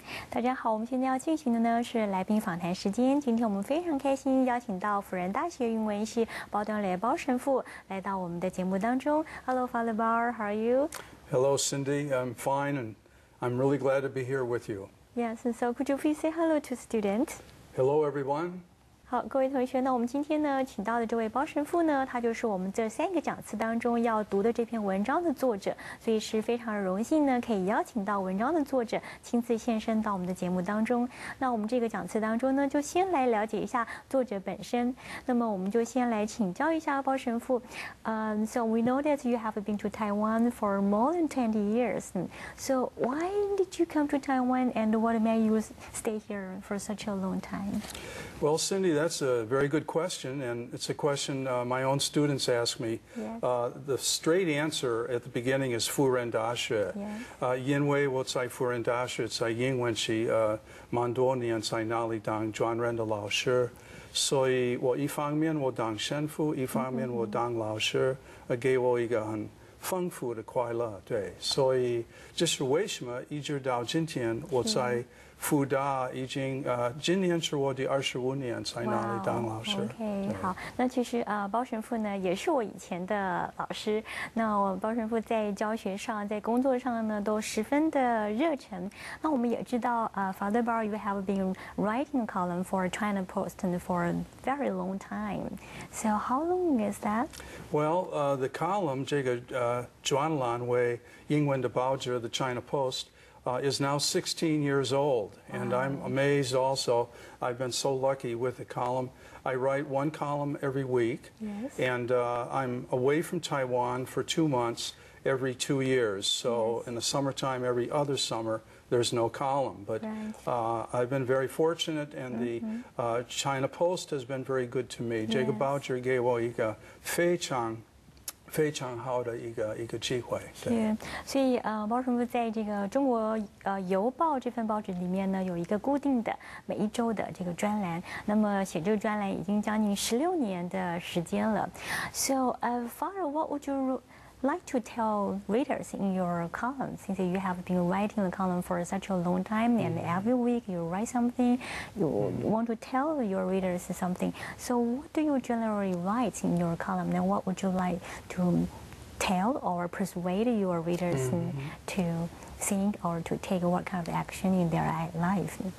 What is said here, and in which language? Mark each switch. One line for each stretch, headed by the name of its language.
Chinese: 大家好，我们现在要进行的呢是来宾访谈时间。今天我们非常开心邀请到辅仁大学英文系包德莱包神父来到我们的节目当中。
English: Hello, Father Bar, how are you? Hello, Cindy. I'm fine, and I'm really glad to be here with you. Yes, and so could you please say hello to students? Hello, everyone.
Chinese: 好，各位同学，那我们今天呢，请到的这位包神父呢，他就是我们这三个讲次当中要读的这篇文章的作者，所以是非常荣幸呢，可以邀请到文章的作者亲自现身到我们的节目当中。那我们这个讲次当中呢，就先来了解一下作者本身。那么我们就先来请教一下包神父。
English: So we know that you have been to Taiwan for more than 20 years. So why did you come to Taiwan and what made you stay here for such a long time? Well, Cindy,That's a very good question, and it's a question my own students ask me. Yes. The straight answer at the beginning is Fu Ren Da Xue.
Chinese: Yin Wei Wo Tsai Fu Ren Da Xue Tsai Ying Wen Shi Man Duo Nian Tsai Nali Dang Zhuan Ren De Lao Shi. So Yi Wo Yi Fang Mian Wo Dang Shen Fu, Yi Fang Mian Wo Dang Lao Shi, A Gei Wo Yi Ge Hen Feng Fu De Kuai Le. 对，所以这是为什么一直到今天我在复大已经今年是我第25年在那里当老师。 Wow, OK， 好，那其实包神父呢也是我以前的老师。那我包神父在教学上、在工作上呢都十分的热忱。那我们也知道
English: Father Bar, you have been writing a column for China Post and for a very long time. So how long is that? Well, the column
Chinese: 这个专栏为英文的报纸 The China Post。
English: Is now 16 years old, and I'm amazed also. I've been so lucky with the column. I write one column every week, yes. And I'm away from Taiwan for 2 months every 2 years. So yes. In the summertime, every other summer, there's no column. But right. I've been very fortunate, and the China Post has been very good to me. Yes.
Chinese: 这个报纸给我一个非常非常好的一个机会，对。所以包神父在这个中国邮报这份报纸里面呢，有一个固定的每一周的这个专栏。那么写这个专栏已经将近16年的时间了。
English: So, Father, what would you like to tell readers in your column? Since you have been writing the column for such a long time, and every week you write something, you want to tell your readers something. So what do you generally write in your column, and what would you like to tell or persuade your readers to think or to take what kind of action in their life?